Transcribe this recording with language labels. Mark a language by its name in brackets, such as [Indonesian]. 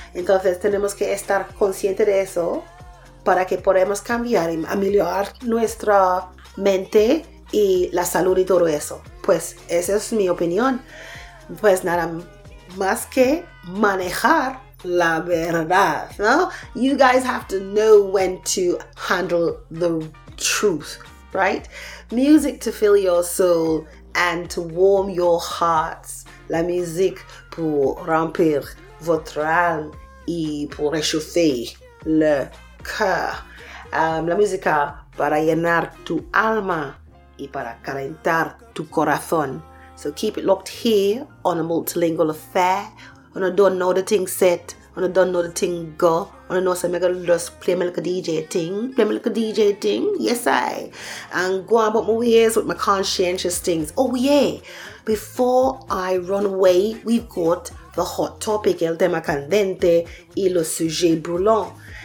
[Spanish] Entonces tenemos que estar consciente de eso para que podamos cambiar y ameliorar nuestra mente y la salud y todo eso. Pues esa es mi opinión. Pues nada más que manejar la verdad, ¿no? [English] You guys have to know when to handle the truth, right? Music to fill your soul and to warm your hearts. [French] La musique pour remplir votre âme y pour réchauffer le cœur. [Spanish] La música para llenar tu alma y para calentar tu corazón. [English] So keep it locked here on a multilingual affair, on a don't know the thing set, on a don't know the thing go, on a no se me go just play me like a DJ thing, play me like a DJ thing, yes I. And go on about my ears with my conscientious things. Oh yeah, before I run away, we've got the hot topic, el tema candente y lo sujet brûlant.